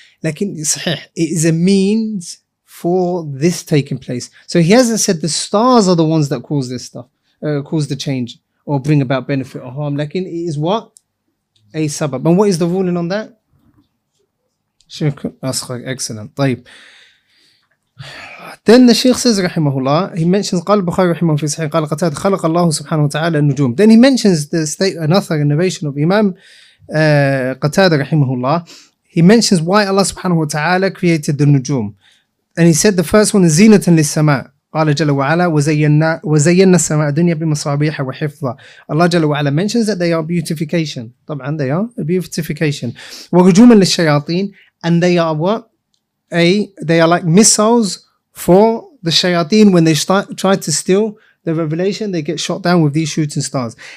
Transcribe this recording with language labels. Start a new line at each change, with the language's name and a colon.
English: Like, it is a means for this taking place. So he hasn't said the stars are the ones that cause this stuff, cause the change, or bring about benefit or harm. Like, it is what? A sabab. And what is the ruling on that? Excellent.
Arabic: طيب.
English: Then the Sheikh says, rahimahullah, he mentions,
Arabic: قال البخاري رحمه في صحيح قال قتاد خلق الله سبحانه وتعالى النجوم.
English: Then he mentions the state, another innovation of Imam قتاد rahimahullah. He mentions why Allah
Arabic: سبحانه وتعالى
English: created the نجوم. And he said the first one is
Arabic: زينة للسماء. قال جل وعلا وزينا السماء الدنيا بمصابيح وحفظة.
English: Allah
Arabic: جل وعلا
English: mentions that they are beautification.
Arabic: طبعا
English: they are beautification.
Arabic: ورجوما للشياطين.
English: And they are what? They are like missiles for the shayateen. When they try to steal the revelation, they get shot down with these shooting stars.